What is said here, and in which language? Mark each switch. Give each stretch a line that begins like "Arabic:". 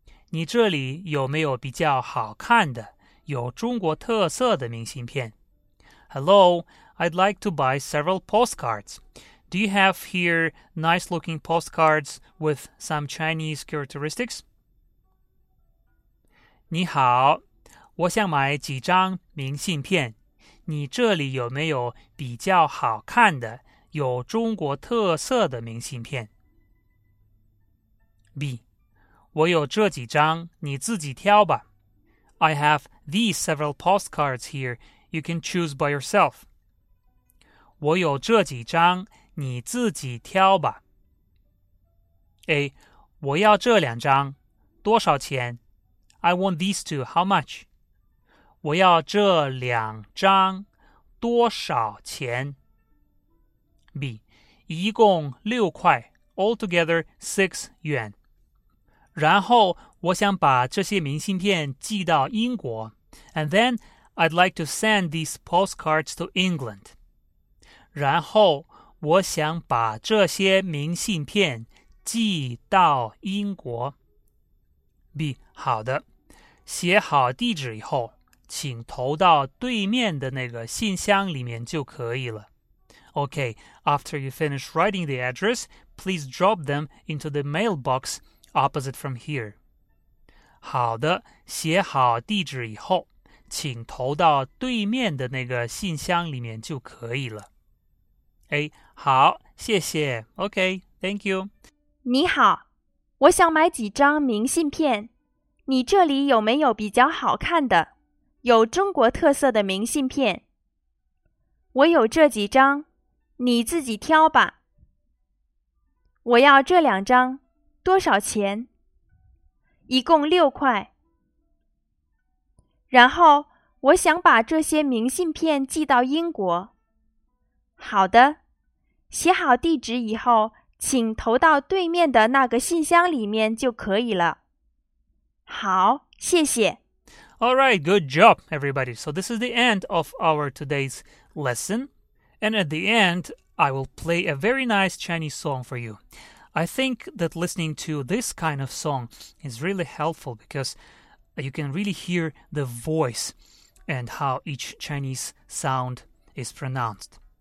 Chinese: 你这里有没有比较好看的、有中国特色的明信片？
English: Hello, I'd like to buy several postcards. Do you have here nice-looking postcards with some Chinese characteristics?
Chinese: 你好，我想买几张明信片。你这里有没有比较好看的、有中国特色的明信片？ B. 我有这几张，你自己挑吧。
English: I have these several postcards here. You can choose by yourself.
Chinese: 我有这几张，你自己挑吧。 A. 我要这两张，多少钱？
English: I want these two. How much?
Chinese: 我要这两张，多少钱？ B. 一共6块
English: altogether 6 yuan.
Chinese: 然后我想把这些明信片寄到英国。
English: And then I'd like to send these postcards to England.
Chinese: 然后我想把这些明信片寄到英国。 B. 好的。写好地址以后，请投到对面的那个信箱里面就可以了。
English: Okay, after you finish writing the address, please drop them into the mailbox opposite from here.
Chinese: 好的，写好地址以后，请投到对面的那个信箱里面就可以了。哎，好，谢谢。
English: Okay, thank you.
Chinese: 你好，我想买几张明信片。你这里有没有比较好看的、有中国特色的明信片？我有这几张，你自己挑吧。我要这两张，多少钱？一共六块。然后我想把这些明信片寄到英国。好的，写好地址以后，请投到对面的那个信箱里面就可以了。好，谢谢。
English: All right, good job, everybody. So this is the end of our today's lesson. And at the end, I will play a very nice Chinese song for you. I think that listening to this kind of song is really helpful because you can really hear the voice and how each Chinese sound is pronounced.